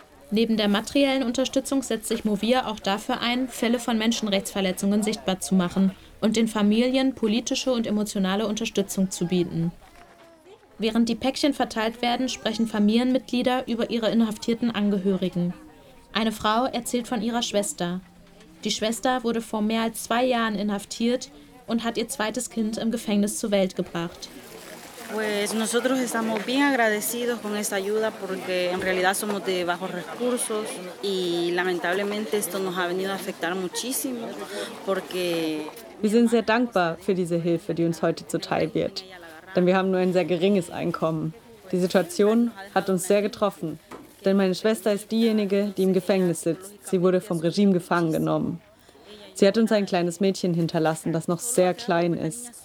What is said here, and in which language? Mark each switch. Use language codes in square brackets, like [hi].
[de] Neben der materiellen Unterstützung setzt sich Movir auch dafür ein, Fälle von Menschenrechtsverletzungen sichtbar zu machen und den Familien politische und emotionale Unterstützung zu bieten. Während die Päckchen verteilt werden, sprechen Familienmitglieder über ihre inhaftierten Angehörigen. Eine Frau erzählt von ihrer Schwester. Die Schwester wurde vor mehr als 2 Jahren inhaftiert und hat ihr zweites Kind im Gefängnis zur Welt gebracht. [es] Pues nosotros estamos bien agradecidos con esta ayuda porque en realidad somos de bajos recursos y lamentablemente esto nos ha venido a afectar muchísimo porque [de] wir sind sehr dankbar für diese Hilfe, die uns heute zuteil wird, denn wir haben nur ein sehr geringes Einkommen. Die Situation hat uns sehr getroffen, denn meine Schwester ist diejenige, die im Gefängnis sitzt. Sie wurde vom Regime gefangen genommen. Sie hat uns ein kleines Mädchen hinterlassen, das noch sehr klein ist.